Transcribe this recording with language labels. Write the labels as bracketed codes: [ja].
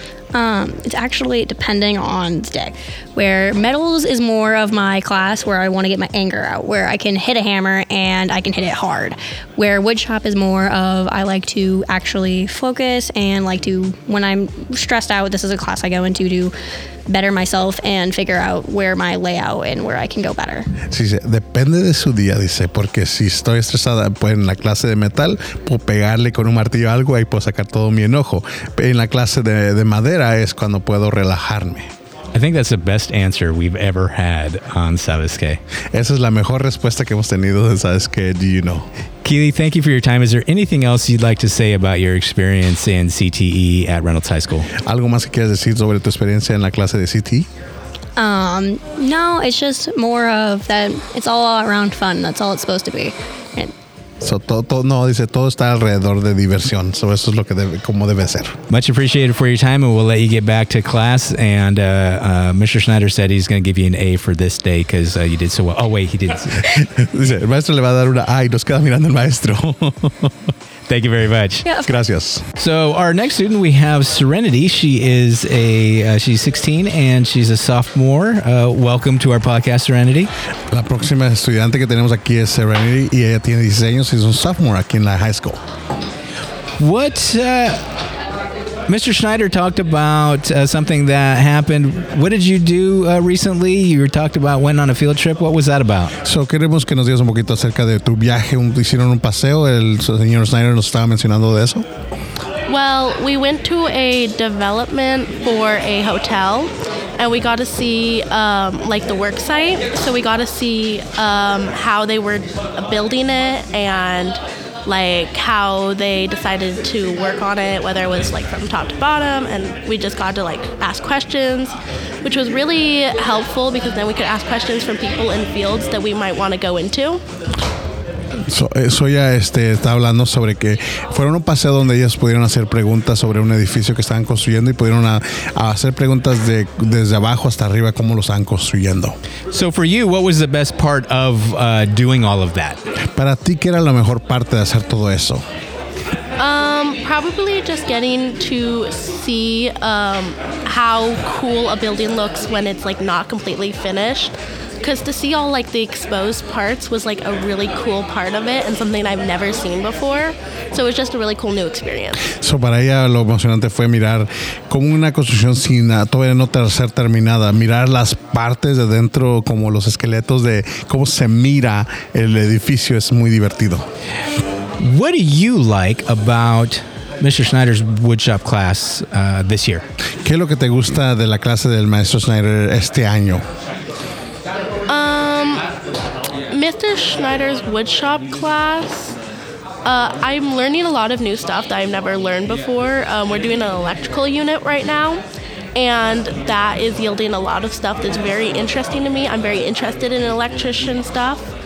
[en] It's actually depending on the day, where metals is more of my class where I want to get my anger out, where I can hit a hammer and I can hit it hard, where woodshop is more of I like to actually focus and like to, when I'm stressed out, this is a class I go into to better myself and figure out where my layout and where I can go better. [es] Sí, sí. Depende de su día, dice, porque si estoy estresada pues en la clase de metal, puedo pegarle con un martillo algo y puedo sacar todo mi enojo. En la clase de madera es cuando puedo relajarme. [en] I think that's the best answer we've ever had on Sabes Qué. [es] Esa es la mejor respuesta que hemos tenido en Sabes Qué, [en] Do You Know. Keely, thank you for your time. Is there anything else you'd like to say about your experience in CTE at Reynolds High School? [es] ¿Algo más que quieras decir sobre tu experiencia en la clase de CTE? [en] No, it's just more of that it's all around fun. That's all it's supposed to be. [es] So, todo está alrededor de diversión. So, eso es lo que debe, como debe ser. [en] Much appreciated for your time, and we'll let you get back to class. And Mr. Schneider said he's going to give you an A for this day because you did so well. Oh, wait, he didn't. [es] Dice, el maestro le va a dar una A y nos queda mirando el maestro. [en] Thank you very much. Yeah. [es] Gracias. [en] So our next student, we have Serenity. She is she's 16 and she's a sophomore. Welcome to our podcast, Serenity. [es] La próxima estudiante que tenemos aquí es Serenity y ella tiene 16 años y es un sophomore aquí en la high school. [en] What, Mr. Schneider talked about something that happened. What did you do recently? You talked about went on a field trip. What was that about? [es] So queremos que nos digas un poquito acerca de tu viaje. Hicieron un paseo. El señor Schneider nos estaba mencionando de eso. [en] Well, we went to a development for a hotel, and we got to see like the work site. So we got to see how they were building it and like how they decided to work on it, whether it was like from top to bottom, and we just got to like ask questions, which was really helpful because then we could ask questions from people in fields that we might want to go into. [es] So ella está hablando sobre que fueron un paseo donde ellas pudieron hacer preguntas sobre un edificio que estaban construyendo y pudieron a hacer preguntas de desde abajo hasta arriba cómo lo están construyendo. [en] So for you, what was the best part of doing all of that? [es] Para ti, ¿qué era la mejor parte de hacer todo eso? [en] Probably just getting to see how cool a building looks when it's like not completely finished. Because to see all like the exposed parts was like a really cool part of it and something I've never seen before. So it was just a really cool new experience. [es] So para ella lo emocionante fue mirar como una construcción sin todavía no ser terminada, mirar las partes de dentro como los esqueletos de cómo se mira el edificio es muy divertido. [en] What do you like about Mr. Schneider's woodshop class this year? [es] ¿Qué es lo que te gusta de la clase del maestro Schneider este año? [en] Mr. Schneider's woodshop class, I'm learning a lot of new stuff that I've never learned before. We're doing an electrical unit right now, and that is yielding a lot of stuff that's very interesting to me. I'm very interested in electrician stuff.